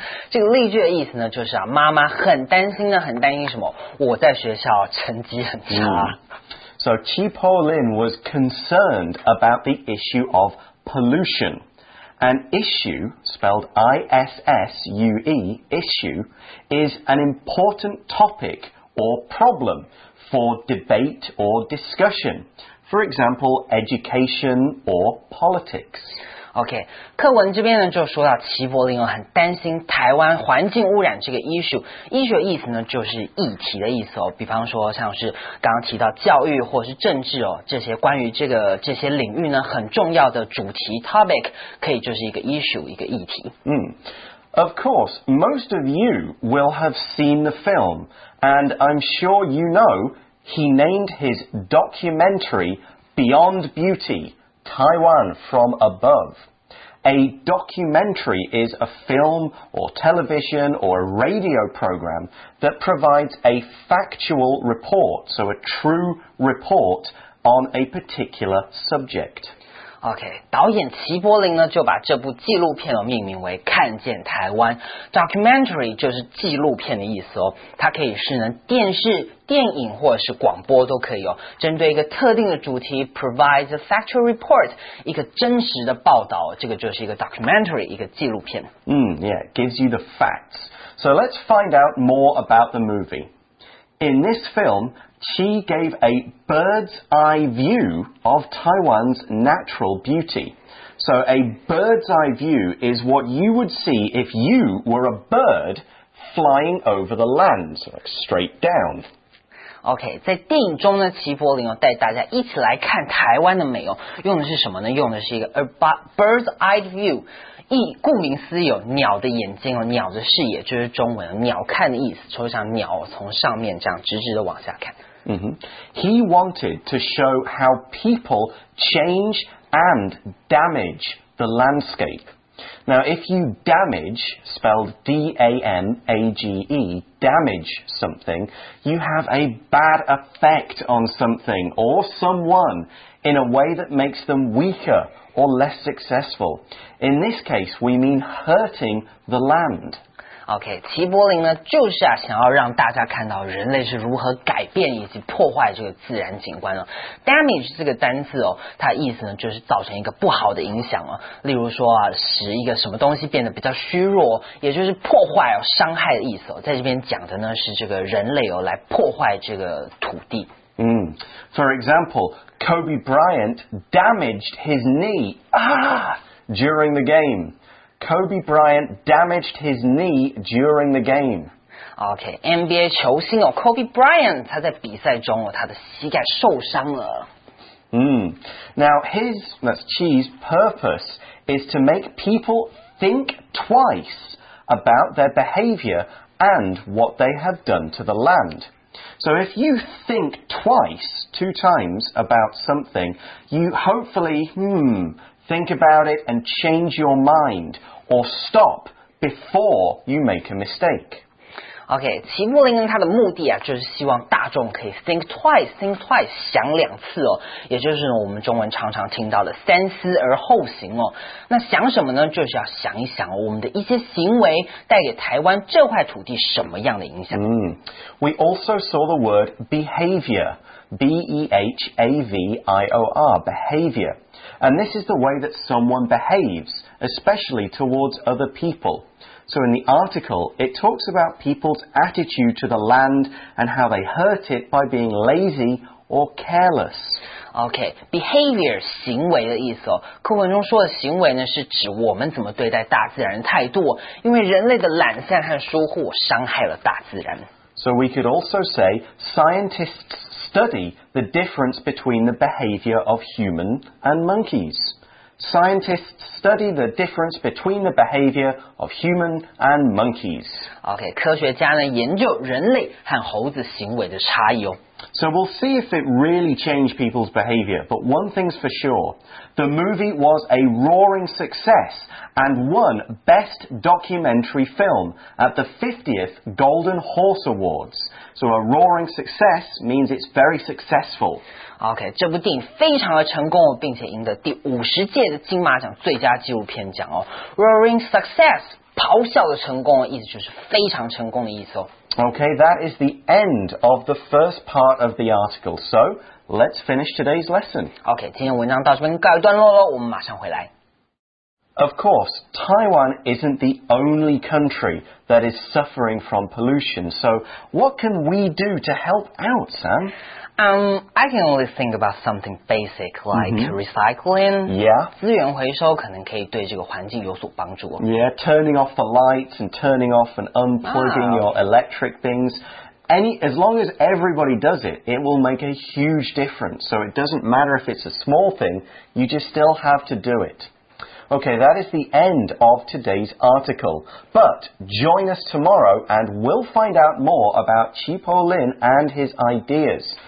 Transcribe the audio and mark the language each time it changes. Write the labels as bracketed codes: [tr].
[zh] 这个例句的意思呢就是啊妈妈很担心呢很担心什么我在学校成绩很差。 [en] So Chi Po Lin was concerned about the issue of pollution. An issue, spelled I-S-S-U-E, issue, is an important topic or problem for debate or discussion. For example, education or politics. [zh] Okay, 课文这边呢就说到齐柏林很担心台湾环境污染这个 issue. Issue 的意思呢就是议题的意思哦。比方说像是刚刚提到教育或是政治哦，这些关于这些领域呢很重要的主题 topic 可以就是一个 issue 一个议题。 [en] Of course, most of you will have seen the film, and I'm sure you know. He named his documentary Beyond Beauty, Taiwan from Above. A documentary is a film or television or a radio program that provides a factual report, so a true report on a particular subject. [zh] OK, 导演齐柏林呢就把这部纪录片哦命名为看见台湾。 Documentary 就是纪录片的意思哦。它可以是呢电视、电影或者是广播都可以哦。针对一个特定的主题 [en] provides a factual report, [zh] 一个真实的报道这个就是一个 documentary, 一个纪录片。 [en] Yeah, gives you the facts. So let's find out more about the movie. In this film,She gave a bird's eye view of Taiwan's natural beauty. So a bird's eye view is what you would see if you were a bird flying over the land, straight down. [zh] OK, 在电影中呢齐柏林带大家一起来看台湾的美用的是什么呢用的是一个 bird's eye view, 顾名思义鸟的眼睛鸟的视野就是中文鸟看的意思抽象鸟从上面这样直直的往下看。 [en] He wanted to show how people change and damage the landscape. Now, if you damage, spelled D-A-M-A-G-E,damage something, you have a bad effect on something or someone in a way that makes them weaker or less successful. In this case, we mean hurting the land. [zh] Okay, 齐柏林呢就是啊想要让大家看到人类是如何改变以及破坏这个自然景观了。 Damage 这个单字哦它意思呢就是造成一个不好的影响了。例如说啊使一个什么东西变得比较虚弱也就是破坏哦伤害的意思哦。在这边讲的呢是这个人类哦来破坏这个土地。 [en] For example, Kobe Bryant damaged his knee, during the game. Kobe Bryant damaged his knee during the game. [zh] OK, NBA 球星哦 Kobe Bryant 他在比赛中哦他的膝盖受伤了。 [en] Now his, that's Chi's purpose is to make people think twice about their behavior and what they have done to the land. So if you think twice, two times, about something, you hopefully, think about it and change your mind, or stop before you make a mistake. [zh] OK, 齐柏林他的目的啊，就是希望大众可以 think twice, 想两次哦，也就是我们中文常常听到的三思而后行哦。那想什么呢？就是要想一想我们的一些行为带给台湾这块土地什么样的影响。 [en] We also saw the word behavior, B-E-H-A-V-I-O-R, behavior. And this is the way that someone behaves, especially towards other people. So in the article, it talks about people's attitude to the land and how they hurt it by being lazy or careless. [zh] Okay, behavior, 行为的意思哦。课文中说的行为呢，是指我们怎么对待大自然的态度，因为人类的懒散和疏忽伤害了大自然。 [en] So we could also say scientists study the difference between the behavior of human and monkeys. Scientists study the difference between the behavior of human and monkeys. [zh] Okay, 科学家呢研究人类和猴子行为的差异哦。 [en] So we'll see if it really changed people's behavior, but one thing's for sure, the movie was a roaring success and won Best Documentary Film at the 50th Golden Horse Awards. So a roaring success means it's very successful. [zh] OK, 这部电影非常的成功并且赢得第50届的金马奖最佳纪录片奖哦。 Roaring success, 咆哮的成功意思就是非常成功的意思哦。 [en] Okay, that is the end of the first part of the article. So, let's finish today's lesson. [zh] Okay, 今天文章到这边告一段落咯，我们马上回来。 [en] Of course, Taiwan isn't the only country that is suffering from pollution. So, what can we do to help out, Sam? I can only think about something basic, like recycling. Yeah. [zh] 资源回收可能可以对这个环境有所帮助。 [en] Yeah, turning off the lights and turning off and unplugging your electric things. As long as everybody does it, it will make a huge difference. So it doesn't matter if it's a small thing, you just still have to do it. Okay, that is the end of today's article. But join us tomorrow and we'll find out more about Chi Po Lin and his ideas.